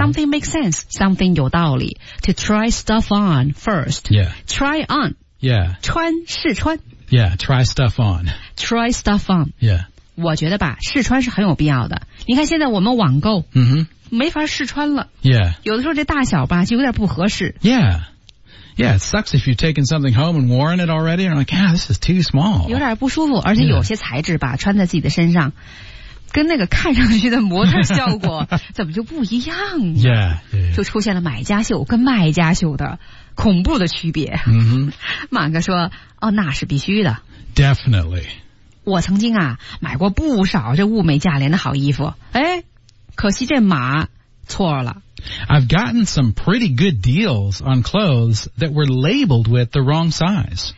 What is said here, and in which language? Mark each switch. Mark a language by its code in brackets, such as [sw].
[en] Something makes sense, something [zh] 有道理。 [en] To try stuff on first. Yeah. Try on. Yeah. [zh] 穿试穿。 [en] Yeah, try stuff on. Try stuff on. Yeah. [zh] 我觉得吧试穿是很有必要的。你看现在我们网购。 Mm-hmm. 没法试穿了 [en] yeah [zh] 有的时候这大小吧就有点不合适 [en] yeah yeah it sucks if you've taken something home and worn it already and like yeah this is too small [zh] 有点不舒服而且有些材质吧、yeah. 穿在自己的身上跟那个看上去的模特效果怎么就不一样 [en] yeah, yeah, yeah [zh] 就出现了买家秀跟卖家秀的恐怖的区别、 mm-hmm. 马哥说哦那是必须的 [en] definitely [zh] 我曾经啊买过不少这物美价廉的好衣服诶可惜这码错了。 [en] I've gotten some pretty good deals on clothes that were labeled with the wrong size.